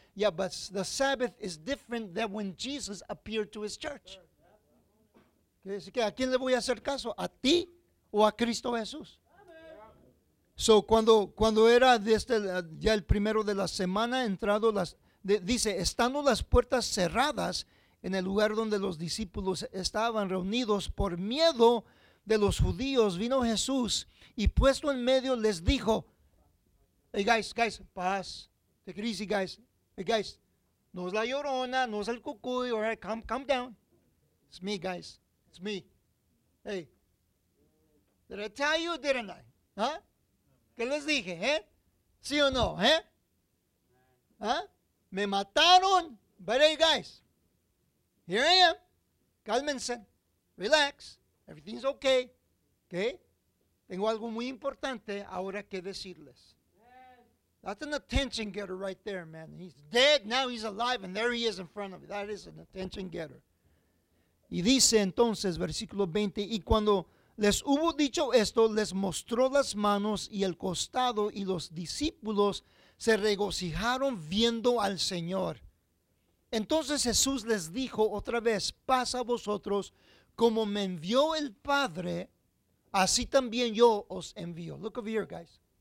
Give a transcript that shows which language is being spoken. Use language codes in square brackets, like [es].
[en] Yeah, but the Sabbath is different than when Jesus appeared to his church. [es] Así que, ¿a quién le voy a hacer caso? ¿A ti o a Cristo Jesús? So, cuando era desde ya el primero de la semana, entrado las, dice, estando las puertas cerradas en el lugar donde los discípulos estaban reunidos por miedo de los judíos, vino Jesús y puesto en medio les dijo, [en] hey, guys, [es] paz, [en] take it easy, guys. Hey, guys, [es] no es la llorona, no es el cucuy, [en] all right, calm down. It's me, guys, it's me. Hey, did I tell you, didn't I? Huh? [es] ¿Qué les dije, eh? ¿Sí o no, eh? [en] Huh? [es] Me mataron, [en] but hey, guys, here I am. [es] Cálmense, [en] relax, everything's okay. Okay? [es] Tengo algo muy importante ahora que decirles. [en] That's an attention getter right there, man. He's dead, now he's alive, and there he is in front of me. That is an attention getter. [es] Y dice entonces, versículo 20, y cuando les hubo dicho esto, les mostró las manos y el costado, y los discípulos se regocijaron viendo al Señor. Entonces Jesús les dijo otra vez, paz a vosotros, como me envió el Padre, así también yo os envío. [en] Look over here, guys.